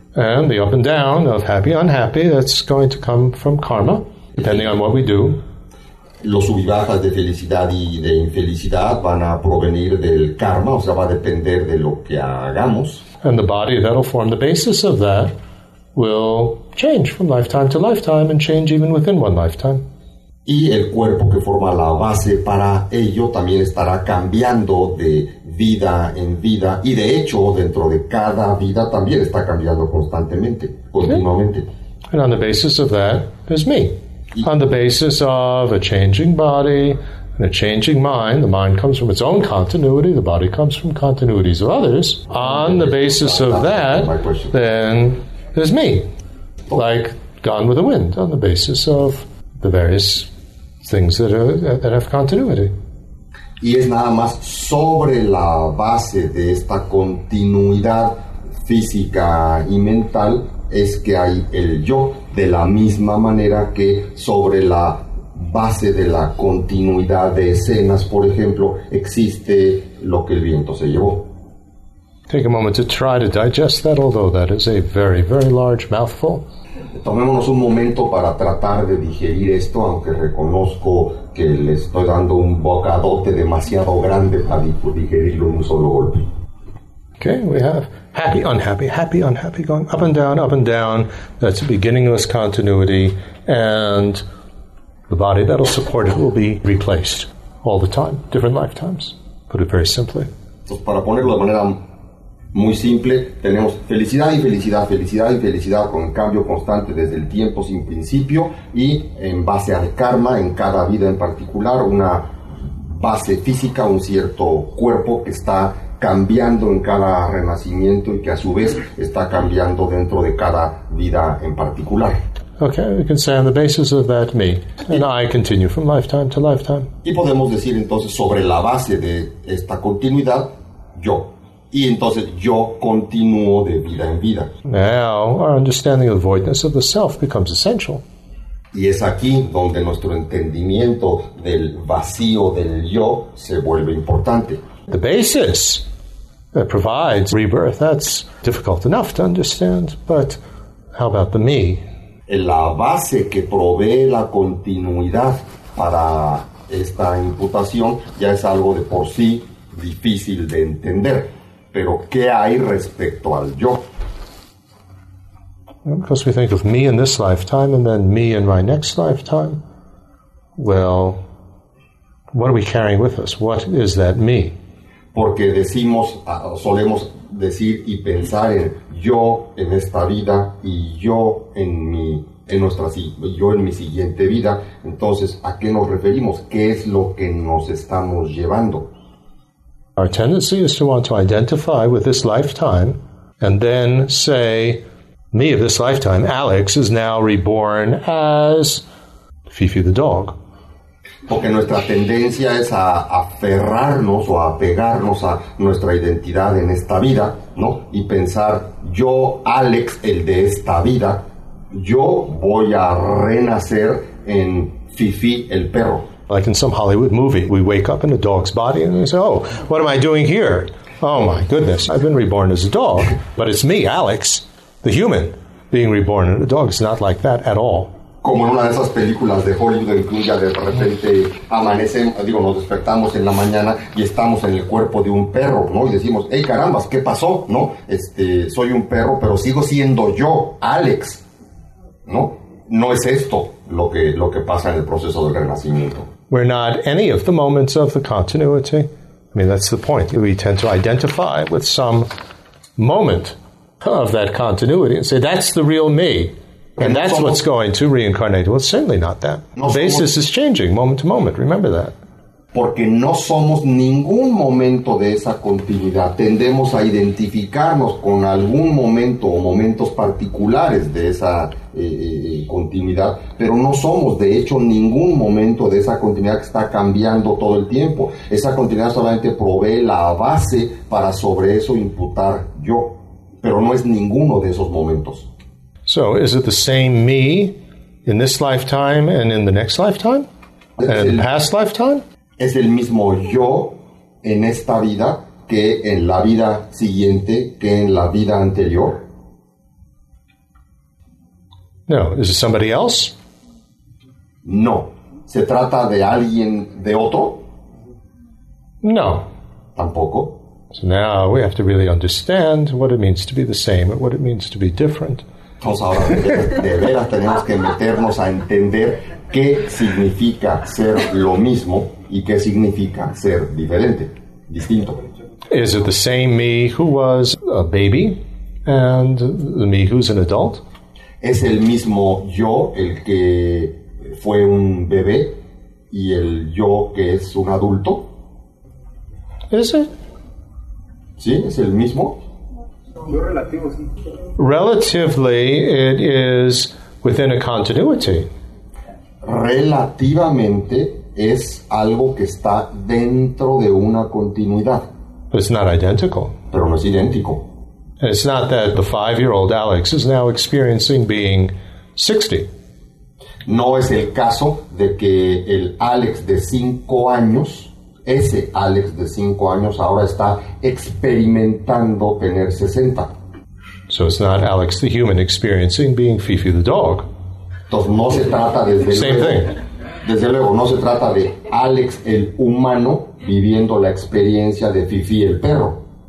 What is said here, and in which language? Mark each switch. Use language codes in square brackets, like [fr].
[en] And the up and down of happy, unhappy, that's going to come from karma, depending on what we do. [es] Los subibajas de felicidad y de infelicidad van a provenir del karma, o sea, va a depender de lo que hagamos. [en] And the body that will form the basis of that will change from lifetime to lifetime and change even within one lifetime. [es] Y el cuerpo que forma la base para ello también estará cambiando de vida en vida, y de hecho dentro de cada vida también está cambiando constantemente, continuamente. [en] And on the basis of that is me. On the basis of a changing body and a changing mind, the mind comes from its own continuity, the body comes from continuities of others. On the basis of that, then there's me, like Gone with the Wind, on the basis of the various things that have continuity. [es] Y es nada más sobre la base de esta continuidad física y mental es que hay el yo, de la misma manera que sobre la base de la continuidad de escenas, por ejemplo, existe lo que el viento se llevó. [en] Take a moment to try to digest that, although that is a very, very large mouthful. [es] Tomémonos un momento para tratar de digerir esto, aunque reconozco que le estoy dando un bocadote demasiado grande para digerirlo en un solo golpe. [en] Okay, we have happy, unhappy, going up and down, that's a beginningless continuity, and the body that'll support it will be replaced all the time, different lifetimes, put it very simply. [es] Entonces, para ponerlo de manera muy simple, tenemos felicidad y felicidad, felicidad y felicidad con cambio constante desde el tiempo sin principio, y en base al karma, en cada vida en particular, una base física, un cierto cuerpo que está cambiando en cada renacimiento y que a su vez está cambiando dentro de cada vida en particular. [en] Okay, we can say on the basis of that me, and I continue from lifetime to lifetime. [es] Y podemos decir entonces sobre la base de esta continuidad, yo. Y entonces yo continúo de vida en vida. [en] Now, our understanding of the voidness of the self becomes essential. [es] Y es aquí donde nuestro entendimiento del vacío del yo se vuelve importante. [en] the basis that provides rebirth, that's difficult enough to understand, but how about the me? [es] La base que provee la continuidad para esta imputación ya es algo de por sí difícil de entender. Pero ¿qué hay respecto al yo? [en] Well, because we think of me in this lifetime and then me in my next lifetime. Well, what are we carrying with us? What is that me? [es] Porque decimos, solemos decir y pensar en yo en esta vida y yo en mi, en nuestra, yo en mi siguiente vida. Entonces, ¿a qué nos referimos? ¿Qué es lo que nos estamos llevando? [en] Our tendency is to want to identify with this lifetime and then say, me of this lifetime, Alex, is now reborn as Fifi the dog. [es] Porque nuestra tendencia es a aferrarnos o a pegarnos a nuestra identidad en esta vida, ¿no? Y pensar, yo, Alex, el de esta vida, yo voy a renacer en Fifi el perro. [en] Like in some Hollywood movie, we wake up in a dog's body and we say, oh, what am I doing here? Oh my goodness, I've been reborn as a dog, but it's me, Alex, the human, being reborn in a dog. It's not like that at all. [es] Como en una de esas películas de Hollywood en que ya de repente amanecemos, digo, nos despertamos en la mañana y estamos en el cuerpo de un perro, ¿no? Y decimos, hey, carambas, ¿qué pasó? ¿No? Soy un perro, pero sigo siendo yo, Alex, ¿no? No es esto lo que pasa en el proceso del renacimiento. [en] We're not any of the moments of the continuity. I mean, that's the point. We tend to identify with some moment of that continuity and say, that's the real me. And that's what's going to reincarnate. Well, certainly not that. The basis is changing moment to moment. Remember that. [es] Porque no somos ningún momento de esa continuidad. Tendemos a identificarnos con algún momento o momentos particulares de esa continuidad. Pero no somos, de hecho, ningún momento de esa continuidad que está cambiando todo el tiempo. Esa continuidad solamente provee la base para sobre eso imputar yo. Pero no es ninguno de esos momentos. [en] So, is it the same me in this lifetime and in the next lifetime? And past lifetime? [es] Es el mismo yo en esta vida que en la vida siguiente, que en la vida anterior. [en] No, is it somebody else? [es] No. ¿Se trata de alguien de otro? [en] No. [es] Tampoco. [en] So now we have to really understand what it means to be the same and what it means to be different. [es] Entonces ahora de veras tenemos que meternos a entender qué significa ser lo mismo y qué significa ser diferente, distinto. [en] Is it the same me who was a baby and the me who's an adult? [es] ¿Es el mismo yo el que fue un bebé y el yo que es un adulto? [en] ¿Es it? [es] ¿Sí? ¿Es el mismo? [en] Relatively, it is within a continuity. [es] Relativamente, es algo que está dentro de una continuidad. [en] But it's not identical. [es] Pero no es idéntico. [en] And it's not that the 5-year-old Alex is now experiencing being 60. [es] No es el caso de que el Alex de 5 años... Ese Alex de 5 años ahora está experimentando tener 60. [en] So it's not Alex the human experiencing being Fifi the dog. [es] Entonces no se trata desde [en] luego. Same thing. [es] Desde luego, no se trata de Alex el humano viviendo la experiencia de Fifi el perro.